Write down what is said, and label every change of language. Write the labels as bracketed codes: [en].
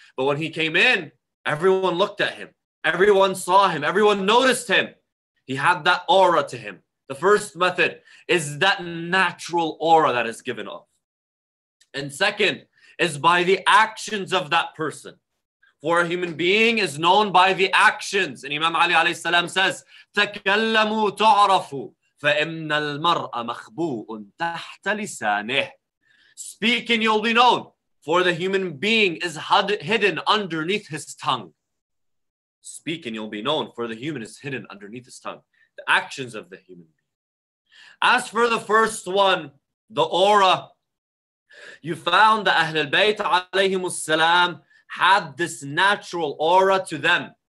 [en] But when he came in, everyone looked at him. Everyone saw him. Everyone noticed him. He had that aura to him. The first method is that natural aura that is given off. And second is by the actions of that person. For a human being is known by the actions. And Imam Ali alayhi salam says, [ar] تَكَلَّمُوا تُعْرَفُوا فَإِنَّ الْمَرْءَ مَخْبُوءٌ تَحْتَ لِسَانِهِ. [en] Speak and you'll be known. For the human being is hidden underneath his tongue. Speak and you'll be known. For the human is hidden underneath his tongue. The actions of the human being. As for the first one, the aura, you found that Ahlul Bayt alayhim as-salam had this natural aura to them.